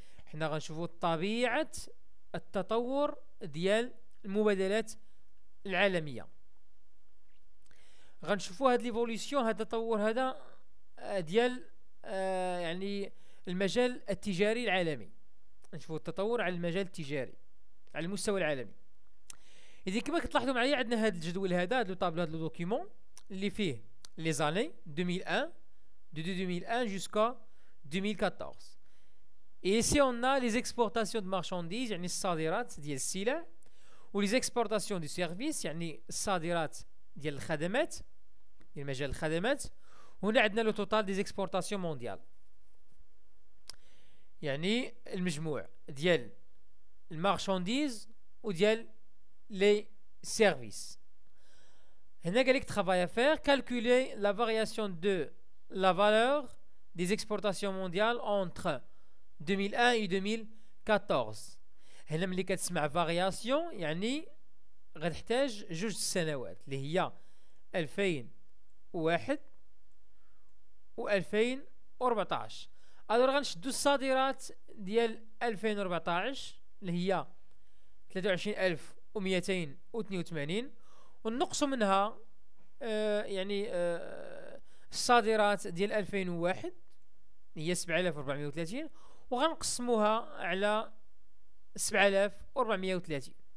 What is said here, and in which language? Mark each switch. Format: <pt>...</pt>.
<ar>حنا غنشوفوا طبيعة التطور ديال المبادلات العالمية، غنشوفوا هاد ليفولوسيون، هاد التطور هذا ديال يعني المجال التجاري العالمي. نشوفوا التطور على المجال التجاري على المستوى العالمي. اذا كما كتلاحظوا معايا عندنا هاد الجدول، هذا لو طابلو، هاد لو دوكيمون اللي فيه لي زاني 2001 دو 2001 جوسكا 2014.</ar> <fr>Et ici on a les exportations de marchandises,</fr> <ar>يعني الصادرات ديال السلع،</ar> <fr>ou les exportations de services,</fr> <ar>يعني الصادرات ديال الخدمات، ديال مجال الخدمات. هنا عندنا</ar> <fr>le total des exportations mondiales،</fr> <ar>يعني المجموع ديال المارشانديز وديال لي سيرفيس. هنا قال لك</ar> <fr>travail à faire, calculer la variation de la valeur des exportations mondiales entre 2001 et 2014.</fr> <ar>هنا ملي كتسمع variation يعني غتحتاج جوج سنوات اللي هي 2001 و 2014. الوغ غنشدو الصادرات ديال 2014 اللي هي 23282، ونقصوا منها يعني الصادرات ديال 2001 اللي هي 7430، وغنقسموها على 7430.</ar>